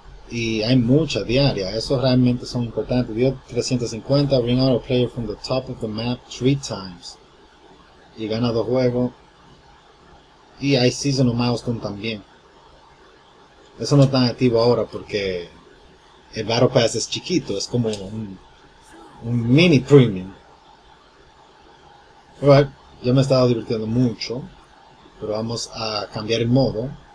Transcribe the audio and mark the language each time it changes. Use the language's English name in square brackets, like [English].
[Spanish] Y hay muchas diarias, esos realmente son importantes. [English] Dio 350, bring out a player from the top of the map 3 times. [Spanish] Y gana 2 juegos. Y hay Season of Milestone también. Eso no está activo ahora porque el Battle Pass es chiquito, es como un mini premium. Bueno, yo me he estado divirtiendo mucho, pero vamos a cambiar el modo.